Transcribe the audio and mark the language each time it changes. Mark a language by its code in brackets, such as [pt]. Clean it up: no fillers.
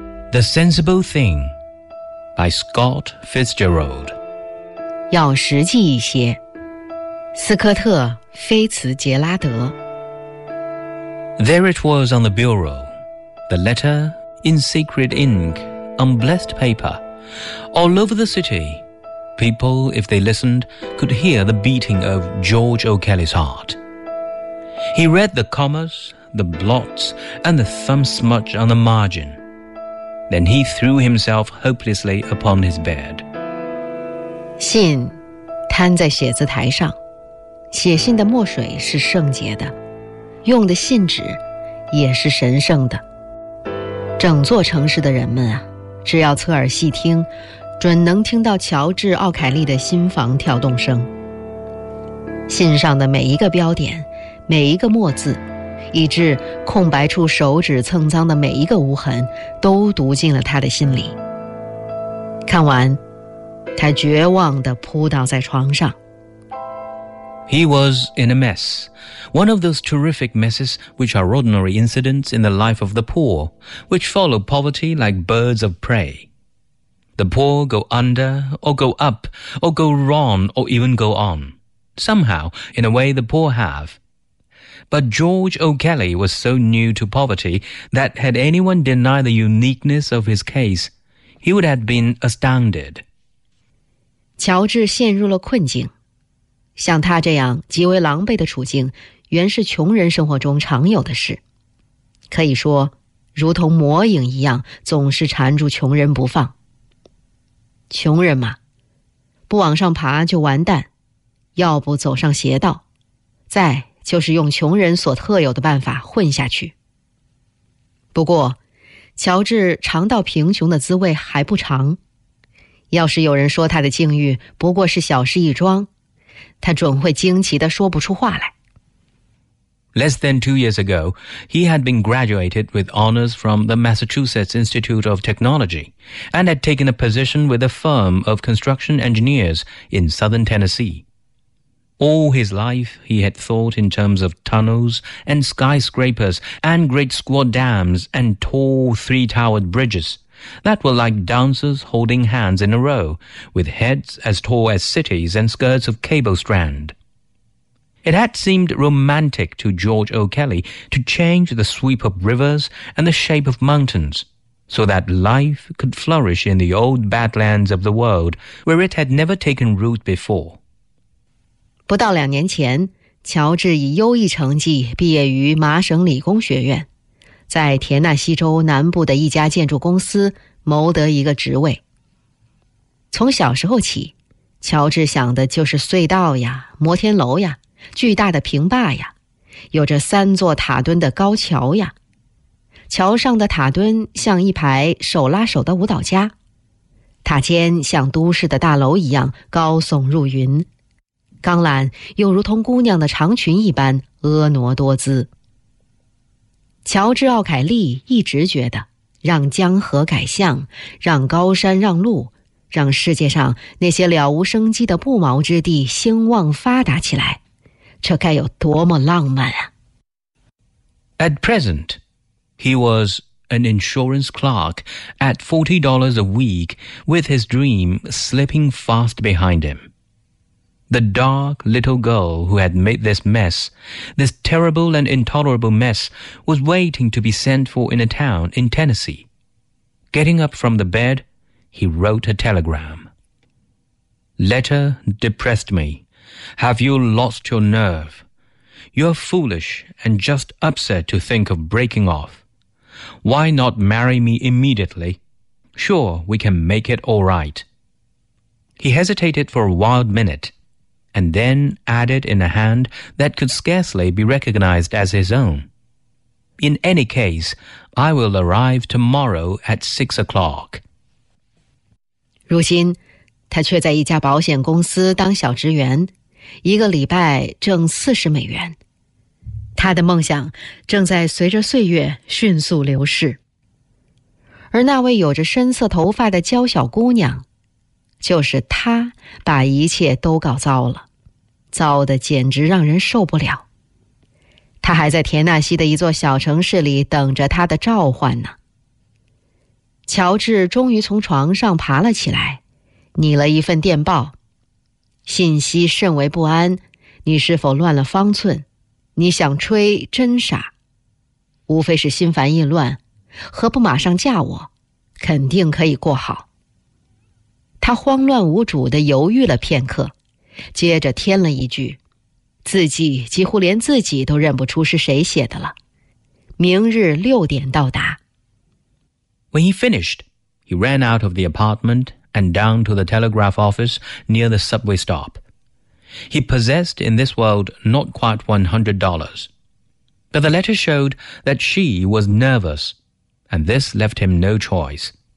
[en] The Sensible Thing by Scott Fitzgerald。 [zh] 要实际一些，斯科特·菲茨杰拉德。 [en] There it was on the bureau, the letter in secret ink on blessed paper. All over the city, people, if they listened, could hear the beating of George O'Kelly's heart. He read the commas, the blots, and the thumb smudge on the margin. Then he threw himself hopelessly upon his bed. [zh] 信摊在写字台上，写信的墨水是圣洁的，用的信纸也是神圣的。整座城市的人们啊，只要侧耳细听，准能听到乔治·奥凯利的心房跳动声。信上的每一个标点，每一个墨字，以致空白处手指蹭脏的每一个无痕，都读进了他的心里。看完，他绝望地扑倒在床上。 [en] He was in a mess, one of those terrific messes which are ordinary incidents in the life of the poor, which follow poverty like birds of prey. The poor go under, or go up, or go wrong, or even go on. Somehow, in a way, the poor have. But George O'Kelly was so new to poverty that had anyone denied the uniqueness of his case, he would have been astounded. [zh] 乔治陷入了困境。像他这样极为狼狈的处境，原是穷人生活中常有的事，可以说如同魔影一样，总是缠住穷人不放。穷人嘛，不往上爬就完蛋，要不走上邪道，再就是用穷人所特有的办法混下去。不过乔治尝到贫穷的滋味还不长，要是有人说他的境遇不过是小事一桩，他准会惊奇地说不出话来。 [en] Less than 2 years ago, he had been graduated with honors from the Massachusetts Institute of Technology and had taken a position with a firm of construction engineers in southern Tennessee. All his life, he had thought in terms of tunnels and skyscrapers and great squat dams and tall three-towered bridges that were like dancers holding hands in a row, with heads as tall as cities and skirts of cable strand. It had seemed romantic to George O'Kelly to change the sweep of rivers and the shape of mountains so that life could flourish in the old badlands of the world where it had never taken root before. [zh] 不到两年前，乔治以优异成绩毕业于麻省理工学院，在田纳西州南部的一家建筑公司谋得一个职位。从小时候起，乔治想的就是隧道呀，摩天楼呀，巨大的平坝呀，有着三座塔墩的高桥呀，桥上的塔墩像一排手拉手的舞蹈家，塔尖像都市的大楼一样高耸入云，钢缆又如同姑娘的长裙一般婀娜多姿。乔治·奥凯利一直觉得，让江河改向，让高山让路，让世界上那些了无生机的不毛之地兴旺发达起来，这该有多么浪漫啊。 [en] At present, he was an insurance clerk at $40 a week with his dream slipping fast behind him. The dark little girl who had made this mess, this terrible and intolerable mess, was waiting to be sent for in a town in Tennessee. Getting up from the bed, he wrote a telegram. Letter depressed me. Have you lost your nerve? You're foolish and just upset to think of breaking off. Why not marry me immediately? Sure, we can make it all right. He hesitated for a wild minute, and then added in a hand that could scarcely be recognized as his own. In any case, I will arrive tomorrow at 6 o'clock. [zh] 如今，他却在一家保险公司当小职员。一个礼拜挣$40，他的梦想正在随着岁月迅速流逝。而那位有着深色头发的娇小姑娘，就是她把一切都搞糟了，糟得简直让人受不了。她还在田纳西的一座小城市里等着她的召唤呢。乔治终于从床上爬了起来，拟了一份电报。信息甚为不安，你是否乱了方寸？你想吹真傻，无非是心烦意乱，何不马上嫁我，肯定可以过好。他慌乱无主地犹豫了片刻，接着添了一句，字迹几乎连自己都认不出是谁写的了，明日6点到达。 [en] When he finished, he ran out of the apartmentand down to the telegraph office near the subway stop. He possessed in this world not quite $100. But the letter showed that she was nervous, and this left him no choice.